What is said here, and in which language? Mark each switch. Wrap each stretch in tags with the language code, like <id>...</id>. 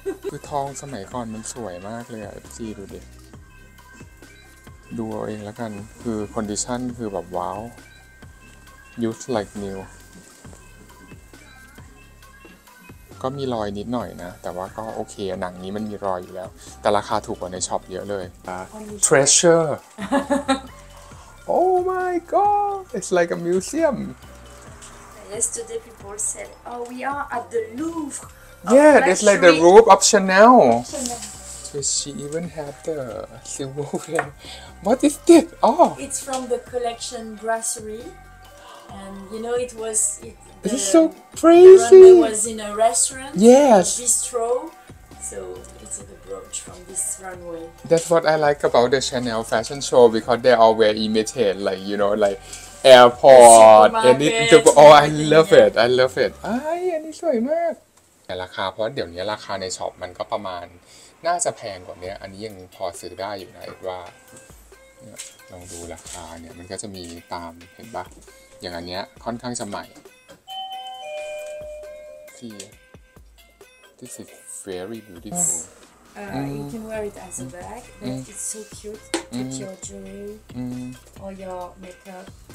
<th>คือทองสมัยก่อนมันสวยมากเลยอ่ะ FC ดูดิดูเอาเองแล้วกันคือคอนดิชันคือแบบว้าว</th> <en>use like new</en> <th>ก็มีรอยนิดหน่อยนะแต่ว่าก็โอเคหนังนี้มันมีรอยอยู่แล้วแต่ราคาถูกกว่าในช็อปเยอะเลย</th> <en>treasure oh my god it's like a museum yesterday people said oh we are at the Louvre yeah it's like the roof of Chanel does she even have the silverware what is this oh it's from the collection Brasserie And you know it was. This is so crazy. The runway was in a restaurant. Yes. Bistro. So it's a brooch from this runway. That's what I like about the Chanel fashion show because they all wear imitate, like you know, like airport. And it, the, oh, I love it. I love it.</en> <th>Ay, อันนี้สวยมาก แต่ราคาเพราะเดี๋ยวนี้ราคาในช็อปมันก็ประมาณน่าจะแพงกว่านี้อันนี้ยังพอซื้อได้อยู่นะว่าลองดูราคาเนี่ยมันก็จะมีตามเห็นปะอย่างอันเนี้ยค่อนข้างจะใหม่</th> <en>See This is very beautiful You can wear it as a bag It's so cute With your jewelry Or your makeup</en>